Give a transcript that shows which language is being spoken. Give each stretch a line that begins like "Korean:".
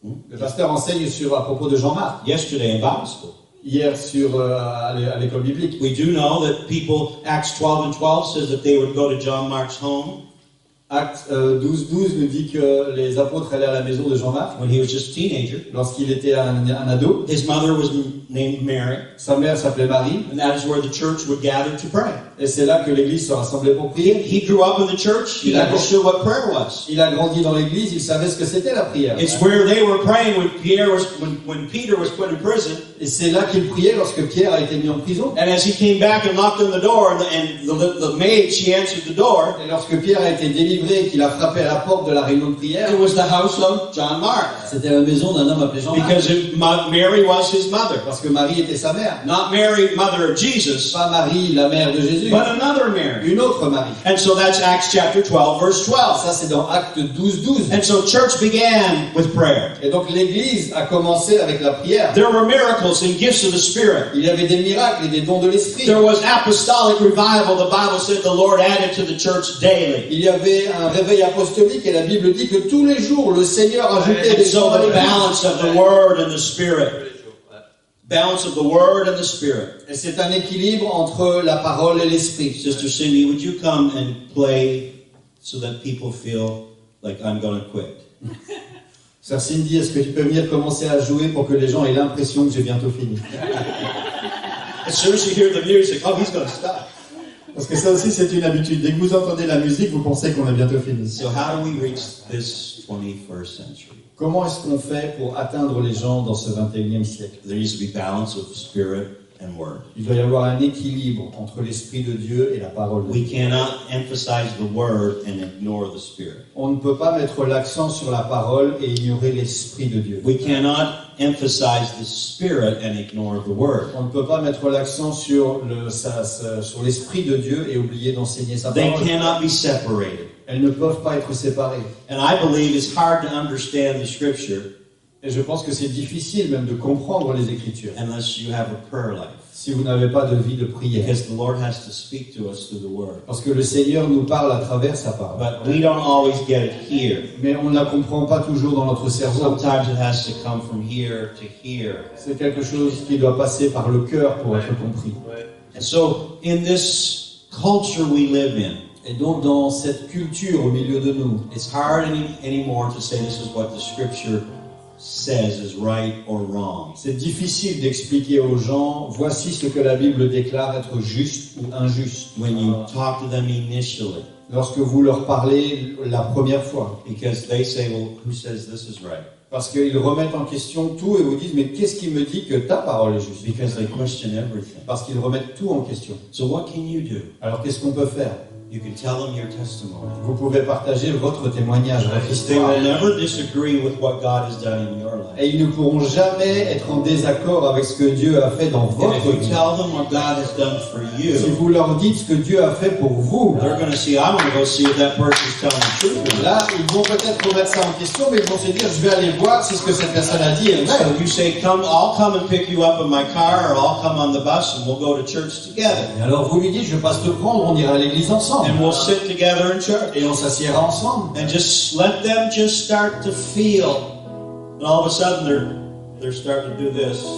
French: Le pasteur enseigne sur à propos de Jean Marc.
English: Yesterday in Bible school.
French: Hier sur à l'école biblique.
English: We do know that people, Acts 12 and 12 says that they would go to John Mark's home.
French: Acte 12:12 nous dit que les apôtres allaient à la maison de Jean-Marc.
English: When he was just a teenager,
French: lorsqu'il était un ado,
English: his mother was named Mary.
French: Sa mère s'appelait Marie.
English: And that is where the church would gather to pray.
French: Et c'est là que l'église se rassemblait pour prier.
English: He grew up in the church. He understood what prayer was.
French: Il a grandi dans l'église. Il savait ce que c'était la prière.
English: It's where they were praying when Pierre was when Peter was put in prison.
French: Et c'est là qu'il priait lorsque Pierre a été mis en prison.
English: And as he came back and knocked on the door, and the maid she answered the door.
French: Et lorsque Pierre a été délivré et qu'il a frappé à la porte de la réunion de prière.
English: It was the house of John Mark.
French: C'était la maison d'un homme appelé Jean-Marc.
English: Because Mary was his mother.
French: Parce que Marie était sa mère.
English: Not Mary, mother of Jesus.
French: Pas Marie, la mère de Jésus.
English: But another Mary.
French: Une autre Marie.
English: And so that's Acts chapter 12, verse 12.
French: Ça, c'est dans Acte 12, 12.
English: And so church began with prayer.
French: Et donc l'église a commencé avec la prière.
English: There were miracles and gifts of the Spirit.
French: Il y avait des miracles et des dons de l'Esprit.
English: There was apostolic revival. The Bible said the Lord added to the church daily.
French: Il y avait un réveil apostolique et la Bible dit que tous les jours le Seigneur ajoutait des
English: choses. So the balance of the word and the spirit. Balance of the word and the spirit.
French: Et c'est un équilibre entre la parole et l'esprit.
English: Sister Cindy, would you come and play so that people feel like I'm going to quit?
French: Sœur Cindy, est-ce que tu peux venir commencer à jouer pour que les gens aient l'impression que j'ai bientôt fini?
English: As soon as you hear the music, oh, he's going to stop.
French: Parce que ça aussi, c'est une habitude. Dès que vous entendez la musique, vous pensez qu'on a bientôt fini.
English: So how do we reach this 21st century?
French: Comment est-ce qu'on fait pour atteindre les gens dans ce 21e siècle?
English: There needs to be balance of spirit and word.
French: Il doit y avoir un équilibre entre l'Esprit de Dieu et la parole de
English: Dieu. We cannot emphasize the word and ignore the spirit.
French: On ne peut pas mettre l'accent sur la parole et ignorer l'Esprit de Dieu.
English: We cannot emphasize the spirit and ignore the word.
French: On ne peut pas mettre l'accent sur sur l'Esprit de Dieu et oublier d'enseigner sa parole.
English: They cannot be separated.
French: Elles ne peuvent pas être séparées.
English: And I believe it's hard to understand the scripture.
French: Et je pense que c'est difficile même de comprendre les Écritures.
English: Unless you have a prayer life.
French: Si vous n'avez pas de vie de prière.
English: Because the Lord has to speak to us through the word.
French: Parce que le Seigneur nous parle à travers sa parole.
English: But we don't always get it here.
French: Mais on ne la comprend pas toujours dans notre cerveau.
English: Sometimes it has to come from here to here.
French: C'est quelque chose qui doit passer par le cœur pour être compris.
English: And so, in this culture we live in,
French: et donc dans cette culture au milieu de nous,
English: it's hard anymore to say this is what the scripture says is right or wrong.
French: C'est difficile d'expliquer aux gens voici ce que la Bible déclare être juste ou injuste.
English: When you talk to them initially,
French: lorsque vous leur parlez la première fois,
English: because they say, well, who says this is right?
French: Parce qu'ils remettent en question tout et vous disent mais qu'est-ce qui me dit que ta parole est juste?
English: Because they question everything.
French: Parce qu'ils remettent tout en question.
English: So what can you do?
French: Alors qu'est-ce qu'on peut faire?
English: You can tell them your testimony.
French: Vous pouvez partager votre témoignage.
English: They will never disagree with what God has done in your life.
French: Et ils ne pourront jamais être en désaccord avec ce que Dieu a fait dans votre vie.
English: If you tell them what God has done for you,
French: si vous leur dites ce que Dieu a fait pour vous,
English: they're going to see, I'm going to go see if that person is telling the truth.
French: Là, ils vont peut-être remettre ça en question, mais ils vont se dire, je vais aller voir si ce que cette personne a dit est vrai.
English: So you say, come, I'll come and pick you up in my car, or I'll come on the bus, and we'll go to church together.
French: Et alors vous lui dites, je passe te prendre, on ira à l'église ensemble.
English: And we'll sit together in church.
French: Et on s'assiera ensemble.
English: And just let them just start to feel. And all of a sudden they're starting to do this.